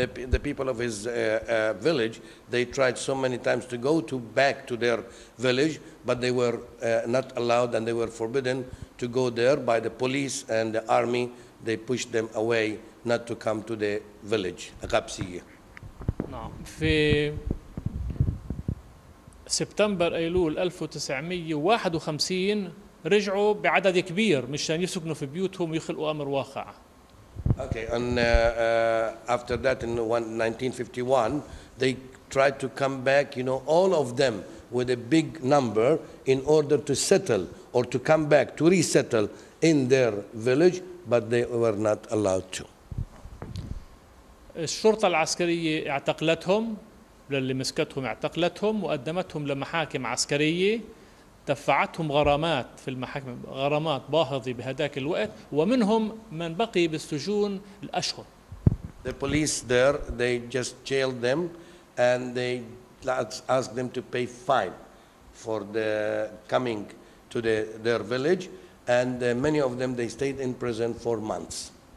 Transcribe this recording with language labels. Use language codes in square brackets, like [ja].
[en] The people of his village, they tried so many times to go to back to their village, but they were not allowed and they were forbidden to go there by the police and the army. They pushed them away not to come to the village. Agapsiye. [ar] نعم. في سبتمبر أيلول 1951 رجعوا بعدد كبير مشان يسكنوا في بيوتهم ويخلقوا أمر واقع. [en] Okay, and after that in 1951, they tried to come back, you know, all of them with a big number in order to settle or to come back, to resettle in their village, but they were not allowed to. [ar] الشرطة العسكرية اعتقلتهم للي مسكتهم اعتقلتهم وقدمتهم لمحاكم عسكرية دفعتهم غرامات في المحاكم غرامات باهظة بهذاك الوقت ومنهم من بقي بالسجون الأشهر. [en] The police there, they just jailed them and they asked them to pay fine for the coming to the, their village and many of them they stayed in prison for months.